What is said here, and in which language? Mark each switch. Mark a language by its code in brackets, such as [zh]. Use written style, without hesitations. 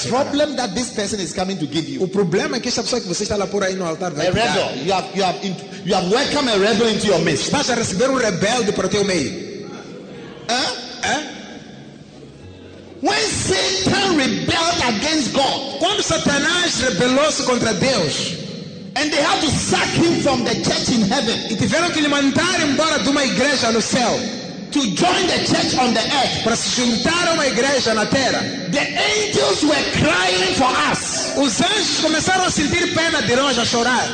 [en] The problem that this person is coming to give you. [pt] O problema é que esta pessoa que você está lá por aí no altar vai a dar. [en] Rebel, you have welcomed a rebel into your midst. [pt] Estás a receber rebelde para o teu meio. [en] When Satan rebelled against God, [pt] quando Satanás rebelou-se contra Deus, [en] and they had to sack him from the church in heaven, [pt] e tiveram que lhe mandar embora de uma igreja no céu, [en] to join the church on the earth, [pt] para se juntar a uma igreja na terra, [en] the angels were crying for us. [pt] Os anjos começaram a sentir pena de nós, a chorar.